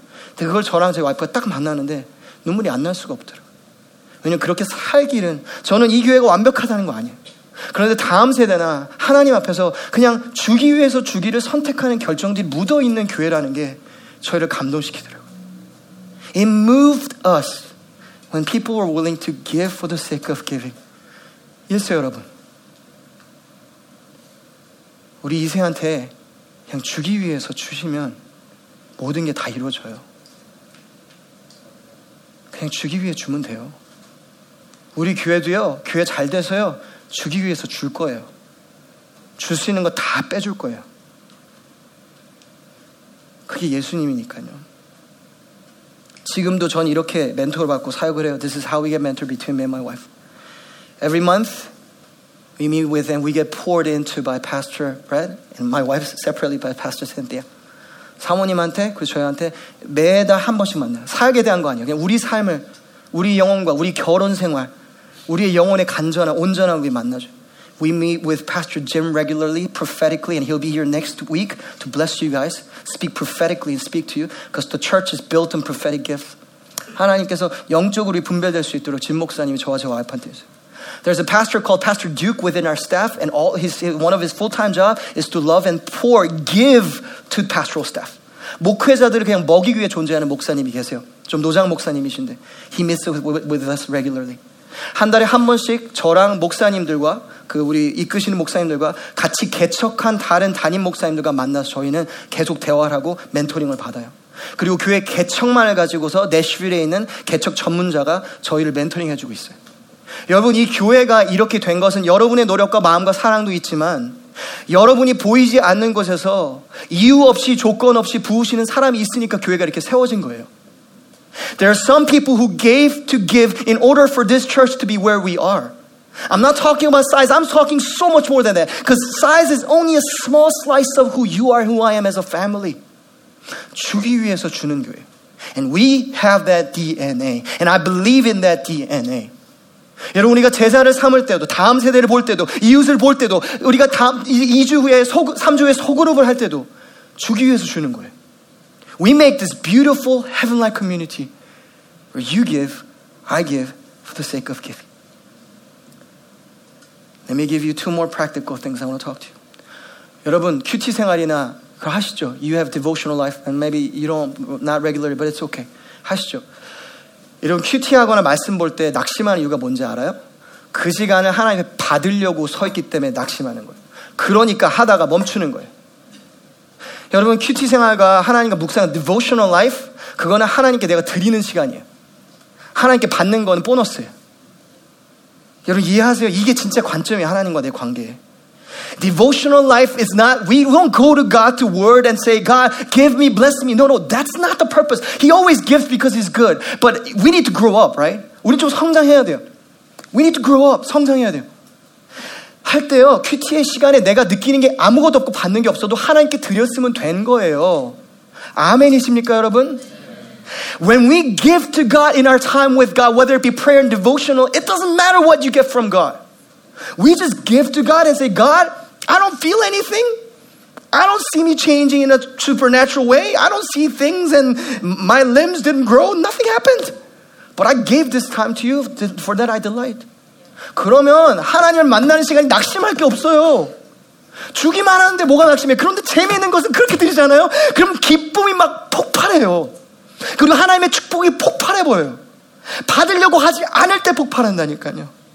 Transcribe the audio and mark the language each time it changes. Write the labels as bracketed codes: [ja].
[ko] 근데 그걸 저랑 제 와이프가 딱 만났는데 눈물이 안 날 수가 없더라고요. 왜냐면 그렇게 살기는 저는 이 교회가 완벽하다는 거 아니에요. 그런데 다음 세대나 하나님 앞에서 그냥 주기 위해서 주기를 선택하는 결정들이 묻어있는 교회라는 게 저희를 감동시키더라고요. [en] It moved us when people were willing to give for the sake of giving. [ko] Yes, 여러분. 우리 이세한테 그냥 주기 위해서 주시면 모든 게 다 이루어져요. 그냥 주기 위해 주면 돼요. 우리 교회도요, 교회 잘 돼서요, 주기 위해서 줄 거예요. 줄 수 있는 거 다 빼줄 거예요. 그게 예수님이니까요. 지금도 전 이렇게 멘토를 받고 사역을 해요. [en] This is how we get mentored between me and my wife. Every month, we meet with them. We get poured into by Pastor Brett and my wife separately by Pastor Cynthia. [ko] 사모님한테 그리고 저희한테 매달 한 번씩 만나요. 사역에 대한 거 아니에요. 그냥 우리 삶을, 우리 영혼과 우리 결혼 생활, 우리의 영혼의 간절한, 온전한 우리 만나죠. [en] We meet with Pastor Jim regularly, prophetically, and he'll be here next week to bless you guys. Speak prophetically and speak to you because the church is built on prophetic gifts. [ko] 하나님께서 영적으로 분별될 수 있도록 진 목사님이 저와 제 와이프한테 있어요. [en] There's a pastor called Pastor Duke within our staff and all his, one of his full-time job is to love and pour, give to pastoral staff. [ko] 목회자들을 그냥 먹이기 위해 존재하는 목사님이 계세요. 좀 노장 목사님이신데. [en] He meets with us regularly. [ko] 한 달에 한 번씩 저랑 목사님들과 그 우리 이끄시는 목사님들과 같이 개척한 다른 담임 목사님들과 만나서 저희는 계속 대화를 하고 멘토링을 받아요. 그리고 교회 개척만을 가지고서 내쉬빌에 있는 개척 전문자가 저희를 멘토링 해주고 있어요. 여러분 이 교회가 이렇게 된 것은 여러분의 노력과 마음과 사랑도 있지만 여러분이 보이지 않는 곳에서 이유 없이 조건 없이 부으시는 사람이 있으니까 교회가 이렇게 세워진 거예요. [en] There are some people who gave to give in order for this church to be where we are. I'm not talking about size. I'm talking so much more than that. Because size is only a small slice of who you are, who I am as a family. [ko] 주기 위해서 주는 교회. [en] And we have that DNA. And I believe in that DNA. [ko] 여러분, 우리가 제자를 삼을 때도, 다음 세대를 볼 때도, 이웃을 볼 때도, 우리가 2주 후에, 3주 후에 소그룹을 할 때도 주기 위해서 주는 거예요. [en] We make this beautiful heaven-like community where you give, I give for the sake of giving. Let me give you two more practical things I want to talk to you. [ko] 여러분, QT 생활이나 그거 하시죠. [en] You have devotional life and maybe you don't, not regularly, but it's okay. [ko] 하시죠. 여러분, QT 하거나 말씀 볼 때 낙심하는 이유가 뭔지 알아요? 그 시간을 하나님 받으려고 서 있기 때문에 낙심하는 거예요. 그러니까 하다가 멈추는 거예요. 여러분, QT 생활과 하나님과 묵상, devotional life, 그거는 하나님께 내가 드리는 시간이에요. 하나님께 받는 건 보너스예요. 여러분, 이해하세요? 이게 진짜 관점이에요, 하나님과 내 관계에. [en] Devotional life is not, we don't go to God to word and say, God, give me, bless me. No, that's not the purpose. He always gives because he's good. But we need to grow up, right? [ko] 우리 좀 성장해야 돼요. [en] We need to grow up, [ko] 성장해야 돼요. 할 때요, QT의 시간에 내가 느끼는 게 아무것도 없고 받는 게 없어도 하나님께 드렸으면 된 거예요. 아멘이십니까, 여러분? [en] When we give to God in our time with God, whether it be prayer and devotional, it doesn't matter what you get from God. We just give to God and say, God, I don't feel anything. I don't see me changing in a supernatural way. I don't see things and my limbs didn't grow. Nothing happened. But I gave this time to you, for that I delight. [ko] 그러면 하나님을 만나는 시간이 낙심할 게 없어요. 주기만 하는데 뭐가 낙심해? 그런데 재미있는 것은 그렇게 드리잖아요. 그럼 기쁨이 막 폭발해요. 그리고 하나님의 축복이 폭발해 보여요. 받으려고 하지 않을 때 폭발한다니까요.